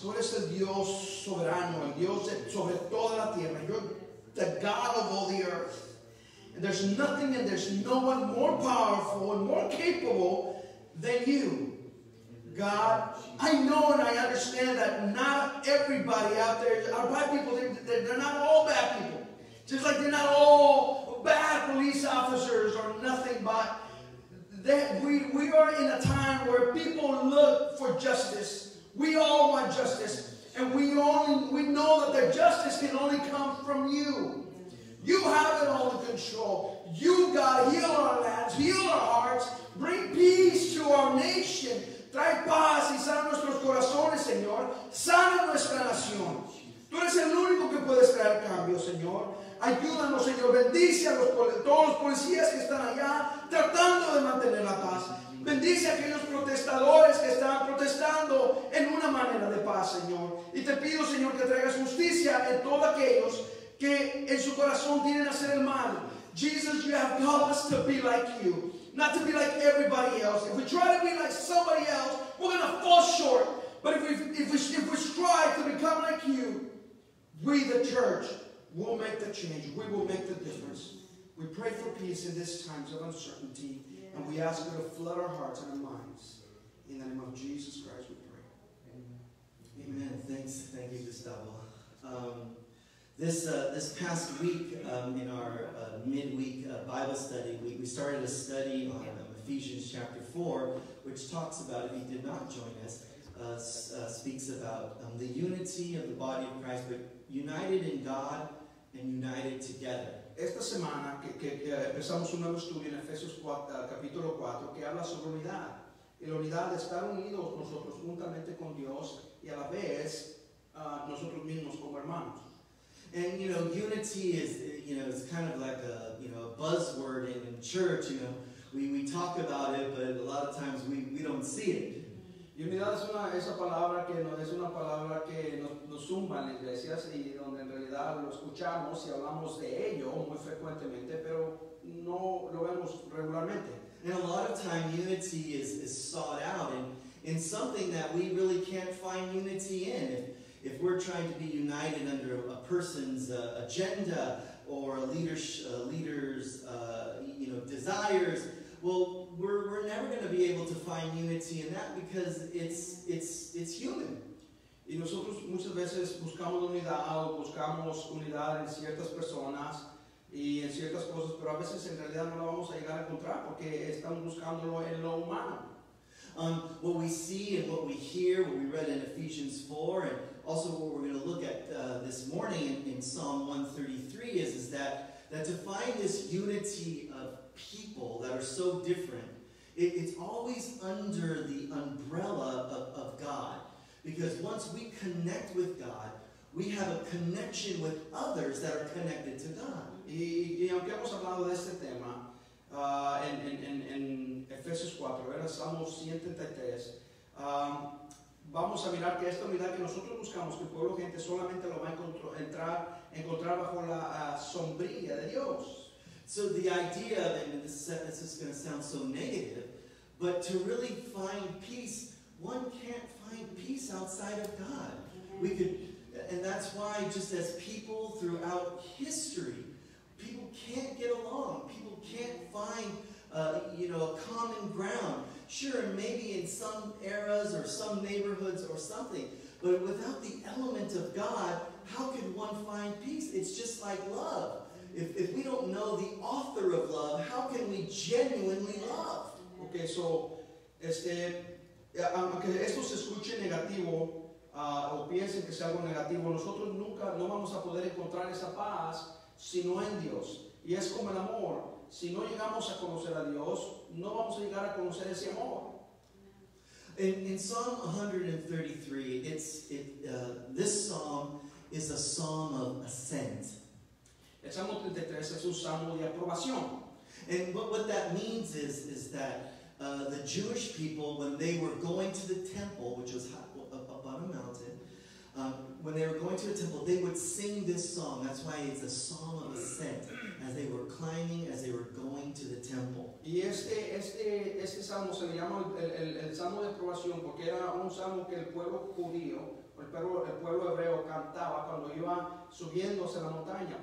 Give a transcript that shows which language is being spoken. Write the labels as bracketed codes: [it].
[es] Tú eres el Dios soberano, el Dios sobre toda la tierra. [en] You're the God of all the earth. And there's nothing and there's no one more powerful and more capable than you. God, I know and I understand that not everybody out there are bad people. They're not all bad people. Just like they're not all bad police officers or nothing, but that we are in a time where people look for justice. We all want justice. And we know that the justice can only come from you. You have it all in control. You, God, heal our lands, heal our hearts, bring peace to our nation. [es] Trae paz y sana nuestros corazones, Señor. Sana nuestra nación. Tú eres el único que puedes traer cambio, Señor. Ayúdanos, Señor. Bendice a todos los policías que están allá tratando de mantener la paz. Bendice a aquellos protestadores que están protestando en una manera de paz, Señor. Y te pido, Señor, que traigas justicia en todos aquellos que en su corazón quieren hacer el mal. [en] Jesus, you have called us to be like you. Not to be like everybody else. If we try to be like somebody else, we're going to fall short. But if we strive to become like you, we, the church, will make the change. We will make the difference. We pray for peace in these times of uncertainty. Yeah. And we ask you to flood our hearts and our minds. In the name of Jesus Christ, we pray. Amen. Amen. Amen. Thanks. Thank you, Gustavo. This past week, in our midweek Bible study, we started a study on Ephesians chapter 4, which talks about, if you did not join us, speaks about the unity of the body of Christ, but united in God and united together. [es] Esta semana que empezamos un nuevo estudio en Efesios 4, capítulo 4, que habla sobre unidad. Y la unidad de estar unidos nosotros juntamente con Dios y a la vez nosotros mismos como hermanos. [en] And you know, unity is, you know, it's kind of like a buzzword in church. You know, we talk about it, but a lot of times we don't see it. [es] Unidad es una palabra que nos zumba en iglesias y donde en realidad lo escuchamos y hablamos de ello muy frecuentemente, pero no lo vemos regularmente. [en] And a lot of time, unity is sought out in something that we really can't find unity in. If we're trying to be united under a person's agenda or a leader's desires, well, we're never going to be able to find unity in that because it's human. [es] Y nosotros muchas veces buscamos unidad o buscamos unidad en ciertas personas y en ciertas cosas, pero a veces en realidad no la vamos a llegar a encontrar porque estamos buscándolo en lo humano. [en] What we see and what we hear, what we read in Ephesians 4, and also what we're going to look at this morning in Psalm 133 is that to find this unity of people that are so different, it's always under the umbrella of God. Because once we connect with God, we have a connection with others that are connected to God. [es] Y aunque hemos hablado de este tema, en Efesios 4, ¿verdad? Salmo 133, vamos a mirar que esta unidad que nosotros buscamos, que el pueblo gente solamente lo va a encontrar bajo la sombrilla de Dios. [en] So the idea, and this is going to sound so negative, but to really find peace, one can't find peace outside of God. We could, and that's why just as people throughout history, people can't get along. People can't find a common ground. Sure, maybe in some eras or some neighborhoods or something, but without the element of God, how can one find peace? It's just like love. If we don't know the author of love, how can we genuinely love? Okay, so, [es] aunque esto se escuche negativo, o piensen que sea algo negativo, nosotros nunca, no vamos a poder encontrar esa paz sino en Dios. Y es como el amor. Si no llegamos a conocer a Dios, no vamos a llegar a conocer ese amor. [en] In Psalm 133, this psalm is a psalm of ascent. [es] El Salmo 33 es un salmo de aprobación. [en] And what that means is that the Jewish people, when they were going to the temple, which was up on a mountain, when they were going to the temple, they would sing this song. That's why it's a song of ascent, as they were climbing, as they were going to the temple. [es] Y este salmo se le llama el salmo de aprobación, porque era un salmo que el pueblo judío, el pueblo hebreo cantaba cuando iba subiendo hacia la montaña.